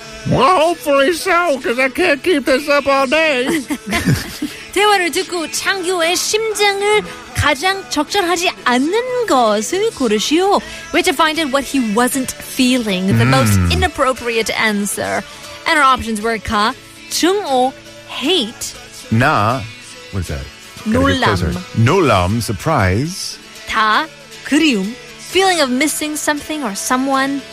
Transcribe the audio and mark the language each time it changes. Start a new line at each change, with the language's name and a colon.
English: Well, hopefully so, because I can't keep this up all day.
Korean: 대화를 듣고 창규의 심장을 가장 적절하지 않는 것을 고르시오.
English: We had to find out what he wasn't feeling. The most inappropriate answer. And our options were 가, 증오, hate. 나, what is that?
Korean: 놀람.
English: 놀람, surprise. 다, 그리움. Feeling of missing something or someone.